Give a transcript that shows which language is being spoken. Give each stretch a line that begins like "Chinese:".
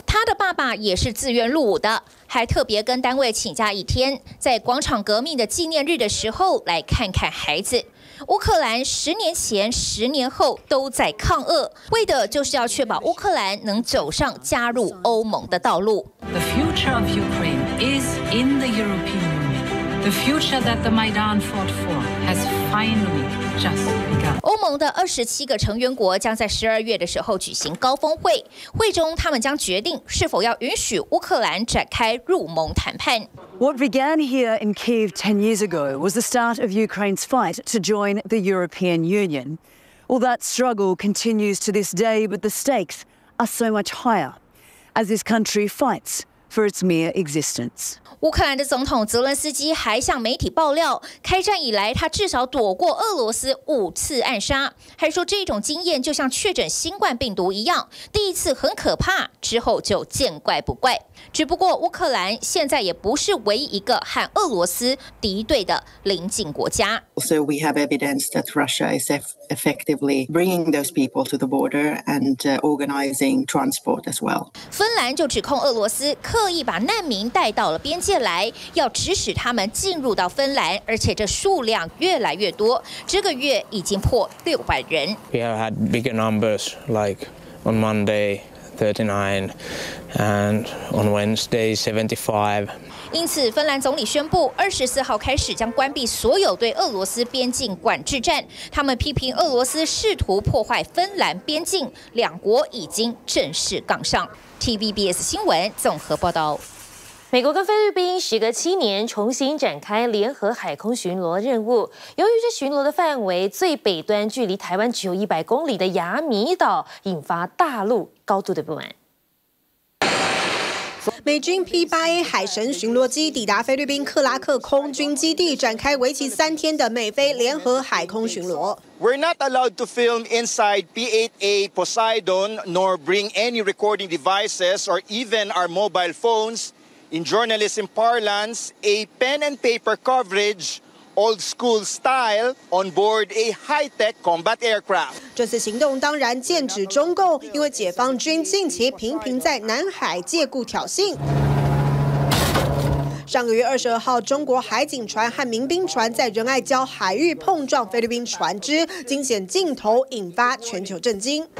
Chinese: 他的爸爸也是自愿入伍的，还特别跟单位请假一天，在广场革命的纪念日的时候来看看孩子。乌克兰十年前、十年后都在抗俄，为的就是要确保乌克兰能走上加入欧盟的道路。
English: The future of Ukraine is in the European Union. The future that the Maidan fought for has finally just begun.
Chinese: 欧盟的27个成员国将在12月的时候举行高峰会，会中他们将决定是否要允许乌克兰展开入盟谈判。
English: What began here in Kyiv 10 years ago was the start of Ukraine's fight to join the European Union. All that struggle continues to this day, but the stakes are so much higher as this country fights for its mere existence.
Chinese: 乌克兰的总统泽伦斯基还向媒体爆料，开战以来他至少躲过俄罗斯5次暗杀，还说这种经验就像确诊新冠病毒一样，第一次很可怕，之后就见怪不怪。只不过乌克兰现在也不是唯一一个和俄罗斯敌对的邻近国家。
English: So we have evidence that Russia is effectively bringing those people to the border and organizing transport as well.
Chinese: 芬兰就指控俄罗斯刻意把难民带到了边界来，要指使他们进入到芬兰，而且这数量越来越多，这个月已经破600人。
English: We have had bigger numbers, like on Monday. 39 and on Wednesday 75.
Chinese: 因此，芬兰总理宣布24号开始将关闭所有对俄罗斯边境管制站。他们批评俄罗斯试图破坏芬兰边境，两国已经正式杠上。 TVBS 新闻综合报道。美国跟菲律宾时隔7年重新展开联合海空巡逻任务。由于这巡逻的范围最北端距离台湾只有100公里的亚米岛，引发大陆高度的不满。美军 P-8A 海神巡逻机抵达菲律宾克拉克空军基地，展开为期3天的美菲联合海空巡逻。
English: We're not allowed to film inside P-8A Poseidon, nor bring any recording devices or even our mobile phones.In journalism parlance, a pen and paper coverage old school style on board a high-tech combat aircraft.
Chinese: 这次行动当然剑指中共，因为解放军近期频频在南海借故挑衅。上个月22号，中国海警船和民兵船在仁爱礁海域碰撞菲律宾船只，惊险镜头引发全球震惊。